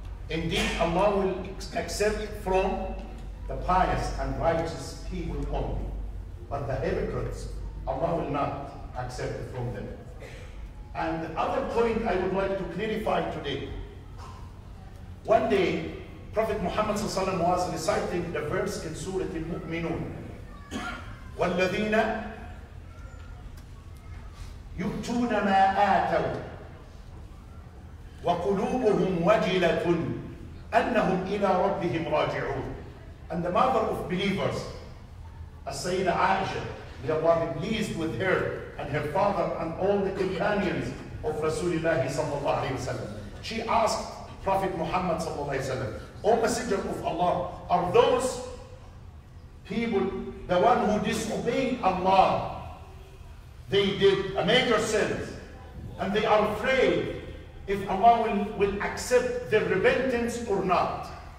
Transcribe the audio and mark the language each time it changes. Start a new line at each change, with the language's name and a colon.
English: Indeed, Allah will accept from the pious and righteous people only. But the hypocrites, Allah will not accept from them. And the other point I would like to clarify today. One day, Prophet Muhammad ﷺ was reciting the verse in Surah Al-Mu'minun.
Arabic: وَالَّذِينَ يؤتون ما آتوا وقلوبهم وجلة أنهم إلى ربهم راجعون.
English: And the mother of believers, As-Sayyidah Aisha, may Allah be pleased with her and her father and all the companions of Rasulullah sallallahu alayhi wa sallam. She asked Prophet Muhammad sallallahu alayhi wa sallam, O Messenger of Allah, are those people, the one who disobey Allah, they did a major sin, and they are afraid if Allah will accept their repentance or not.